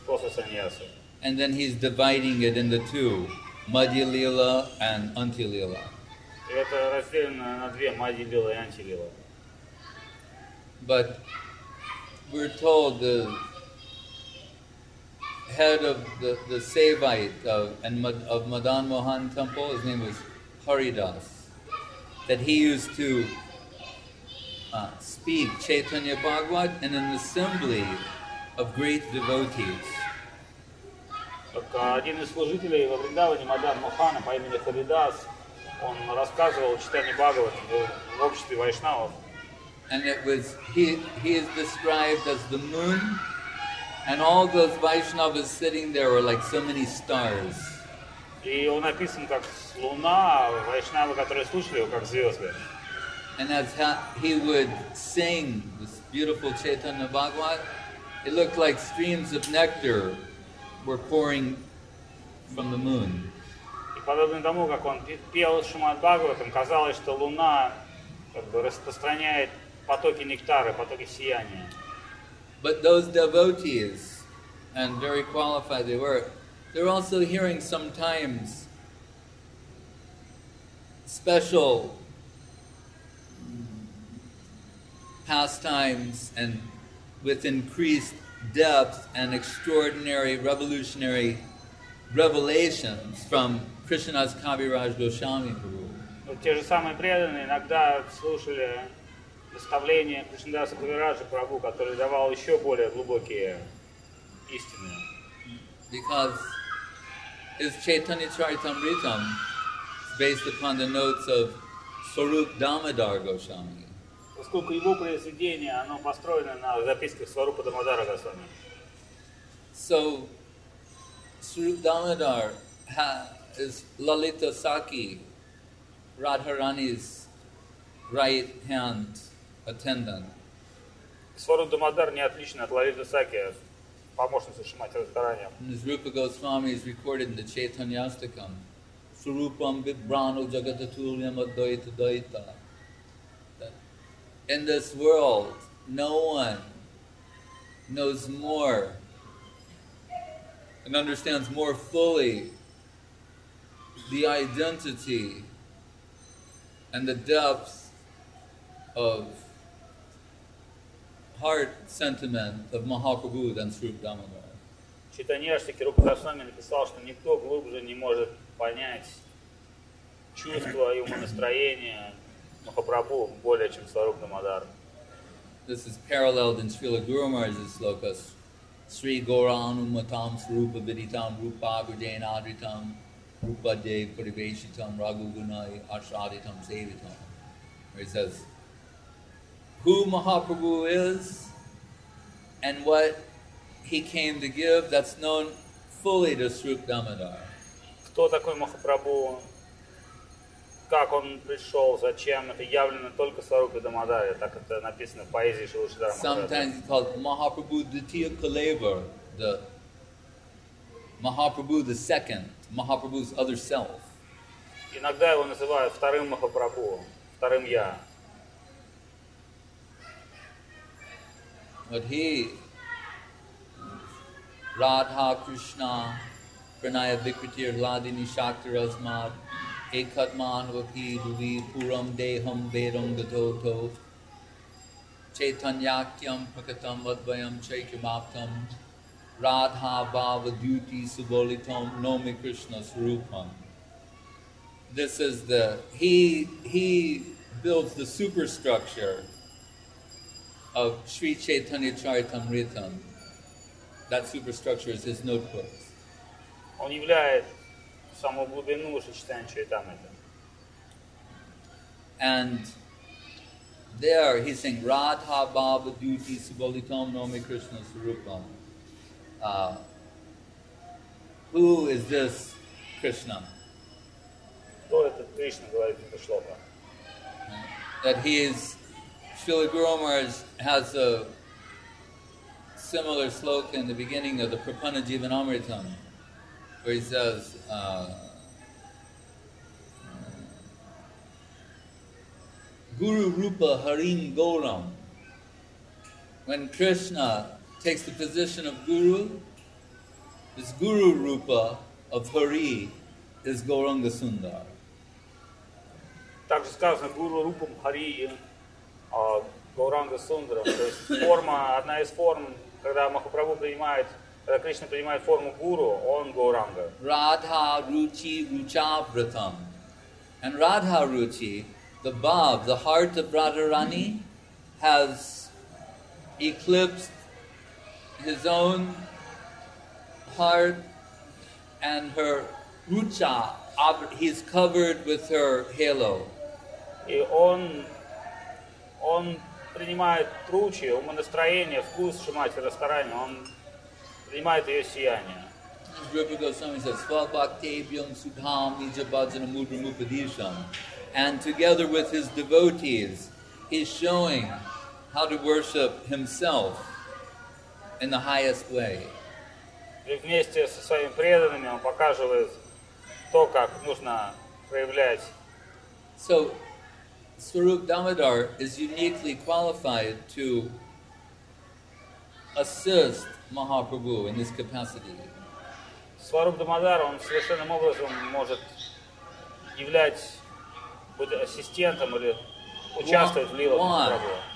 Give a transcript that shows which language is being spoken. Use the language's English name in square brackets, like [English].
[Russian] После sannyasa. [English] And then he's dividing it into two, Madhya Lila and Anti Lila. [Russian] Это разделено на две, Madhya Lila и Anti Lila. [English] But we're told the head of the Sevite of Madan Mohan Temple, his name was Haridas, that he used to speak Chaitanya Bhagavat in an assembly of great devotees. [Russian] Так один из служителей во Вриндаване, Мадан Мохана, по имени Харидас, он рассказывал читание Бхагавата в обществе вайшнавов. [English] And it was, he is described as the moon, and all those Vaishnavas sitting there were like so many stars. [Russian] И он описан как луна, вайшнавы, которые слушали его, как звезды. [English] And as he would sing this beautiful Chaitanya Bhagavat, it looked like streams of nectar were pouring from the moon. [Russian] И подобно тому, как он пел Шримад Бхагаватам, казалось, что луна как бы распространяет потоки нектара, потоки сияния. [English] But those devotees, and very qualified they were, they're also hearing sometimes special pastimes and with increased depth and extraordinary revolutionary revelations from Krishna's Kaviraj Goswami Guru. [Russian] Те же самые преданные иногда слушали наставления Кришнадаса Кавираджа Прабху, который давал еще более глубокие истины. [English] Because his Chaitanya Charitamritam is based upon the notes of Swarup Damodar Goswami. [Russian] Поскольку его произведение, оно построено на записках Сварупа Дамодара Госвами. [English] So, Swarup Damodar is Lalita Sakhi, Radharani's right hand attendant. [Russian] Сварупа Дамодар не отличен от Лалита Сакхи, помощницы Шримати Радхарани. [English] Swarupa Goswami is recorded in the Chaitanyastakam. [Sanskrit] Swarupam Vibhrano Jagatatulyam Advaita Daita. [English] In this world, no one knows more and understands more fully the identity and the depth of heart sentiment of Mahaprabhu than Swarupa Damodar. [Russian] Chaitanyashtaki Rupa Goswami написал, что никто глубже не может понять чувства и умонастроения Махапрабху более чем Сваруп Дамодар. [English] This is paralleled in Srila Guru Maharaj's sloka, [Sanskrit] Sri Gauranu Matam Srupa Viditam Rupa Gurjain Adritam Rupa Dev Puriveshitam Raghu Gunai Ashaditam Sevitam. [English] Where he says, who Mahaprabhu is and what he came to give, that's known fully to Srupa Dhamadar. [Russian] Кто такой Махапрабху? Как он пришел, зачем, это явлено только Сварупе Дамодаре, так это написано в поэзии Шрилы Шридхара. [English] Sometimes it's called Mahaprabhu Dvitiya Kaleva, the Mahaprabhu the second, Mahaprabhu's other self. [Russian] Иногда его называют вторым Махапрабху, вторым я. [English] But he, [Sanskrit] Radha Krishna, Pranaya Vikritir Ladini Shakti Rasmad, Ekatman Vapi Duvi Puram Deham Vedam Gatoto Chaitanyakyam Pakatam Advayam Chaikimaptam Radha Bhava Duti Subolitam Nomi Krishna Swarupam. [English] This is the he builds the superstructure of Sri Chaitanya Charitamritam. That superstructure is his notebooks. [Russian] Он является саму глубину сочетания Чайтамрита. [English] And there he's saying [Sanskrit] Radha Bhava Duti Subolitam Nomi Krishna Swarupam. [English] Who is this Krishna? [Russian] Кто этот Кришна, говорит эта шлока? [English] That he is, Srila Guru Maharaj has a similar sloka in the beginning of the Prapanna Jivanamritam, where he says, [Sanskrit] Guru Rupa Harim Gauram, [English] when Krishna takes the position of Guru, this Guru Rupa of Hari is Gauranga Sundar. [Russian] Также сказано, [Sanskrit] Guru Rupa Hari Gauranga Sundar. [Russian] То есть форма, одна из форм, когда Махапрабху принимает, когда Кришна принимает форму Гуру, он Гауранга. [Sanskrit] Radha Ruchi Ruchavratam. [English] And Radha Ruchi, the Bhav, the heart of Radharani, has eclipsed his own heart and her Rucha, he's covered with her halo. [Russian] И он принимает ручи, умонастроение, вкус Шимати Радхарани, он принимает ее сияние. [English] Rupa Goswami says, [Sanskrit] Svabhaktebhyam Sudham Nijabhajana Mudra Mupadisham. [English] And together with his devotees, he's showing how to worship himself in the highest way. [Russian] И вместе со своими преданными он показывает то, как нужно проявлять. [English] So, Swarup Damodar is uniquely qualified to assist Mahaprabhu in this capacity. [Russian] Swarup Damodar, он совершенным образом может быть ассистентом или участвовать в лилах Махапрабху.